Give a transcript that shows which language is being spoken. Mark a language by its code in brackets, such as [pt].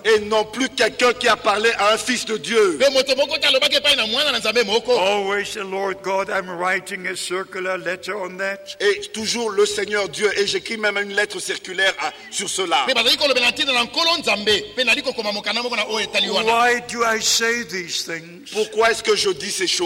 [fr] Et non plus quelqu'un qui a parlé à un fils de Dieu. [en] Always the Lord God, I'm writing a circular letter on that. [fr] Et toujours le Seigneur Dieu, et j'écris même une lettre circulaire sur cela. [en] Why do I say these things? [fr] Pourquoi est-ce que je dis ces choses?